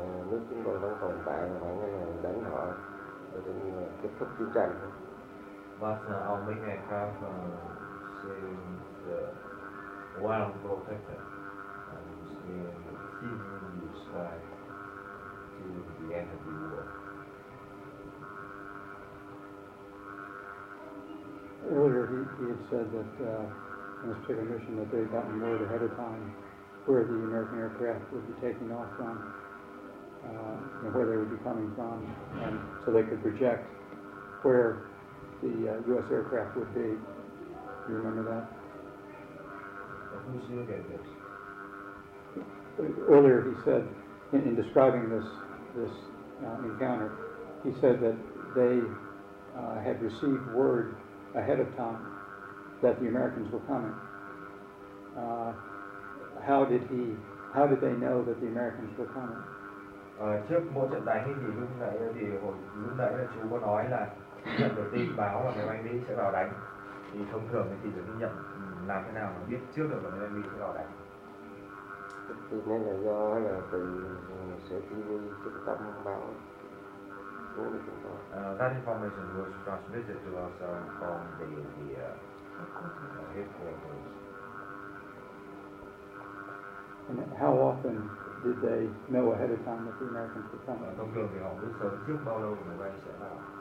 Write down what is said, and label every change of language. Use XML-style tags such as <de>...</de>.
<vi>Nếu chúng tôi vẫn tồn tại và vẫn đánh họ, thì tự nhiên là kết thúc chiến tranh.</vi> <en>But our main aircraft seems well protected and seems in the sky to the end of the war. Earlier he had said that in this particular mission that they had gotten word ahead of time where the American aircraft would be taking off from, and where they would be coming from, and so they could project where the U.S. aircraft would be. Do you remember that? Who's looking at this? Earlier he said, in describing this encounter, he said that they had received word ahead of time that the Americans were coming. How did they know that the Americans were coming?</en> <vi>Trước mỗi trận đánh thì lúc nãy là chú có nói là nhận được tin báo là máy bay Mỹ sẽ vào đánh, thì thông thường thì được nhận làm thế nào mà biết trước được là máy bay Mỹ sẽ vào đánh? Thì nên là do là từ sở chỉ huy trung tâm báo của chúng ta.</vi> <en>That information was transmitted to us from the headquarters. And how often did they know ahead of time that the Americans were coming?</en> <vi>Thông thường thì họ biết sớm trước bao lâu máy bay sẽ vào.</vi>